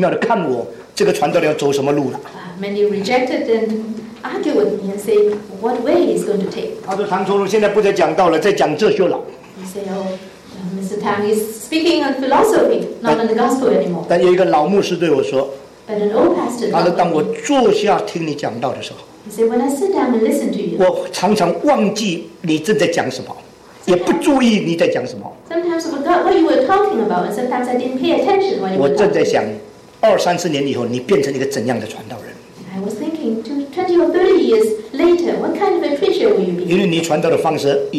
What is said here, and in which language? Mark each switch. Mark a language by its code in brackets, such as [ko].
[zh] 有很多人骂我，攻击我，他们不了解，有的莫名其妙的看我这个传道要走什么路了。 [en] Many rejected and argue with me and say, what way is going to take? [zh] 他说唐崇荣现在不再讲道了，在讲哲学了。 [en] He said, Mr. Tang is speaking on philosophy, not on the gospel anymore. [zh] 但有一个老牧师对我说， [en] But an old pastor, [zh] 他说当我坐下听你讲道的时候， [en] He said, when I sit down and listen to you, [zh] 我常常忘记你正在讲什么， 也不注意你在讲什么。 [en] Sometimes I forgot what you were talking about, and sometimes I didn't pay attention when you were [zh] 我正在想二三十年以后你变成一个怎样的传道人。 [en] I was thinking, 20 or 30 years later, what kind of a preacher will you be?